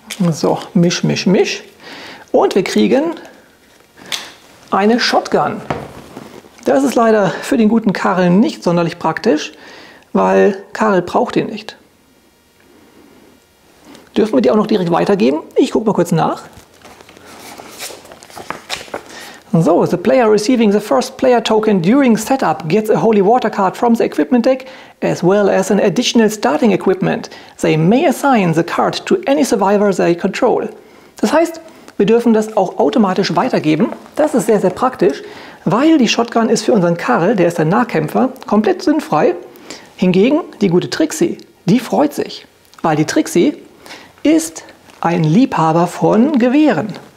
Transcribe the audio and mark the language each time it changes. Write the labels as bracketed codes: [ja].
[de] So, misch, misch, misch. Und wir kriegen eine Shotgun. Das ist leider für den guten Karl nicht sonderlich praktisch, weil Karl braucht den nicht. Dürfen wir die auch noch direkt weitergeben? Ich gucke mal kurz nach. [en] So, the player receiving the first player token during setup gets a holy water card from the equipment deck as well as an additional starting equipment. They may assign the card to any survivor they control. [de] Das heißt, wir dürfen das auch automatisch weitergeben. Das ist sehr, sehr praktisch, weil die Shotgun ist für unseren Karl, der ist ein Nahkämpfer, komplett sinnfrei. Hingegen die gute Trixie, die freut sich, weil die Trixie ist ein Liebhaber von Gewehren.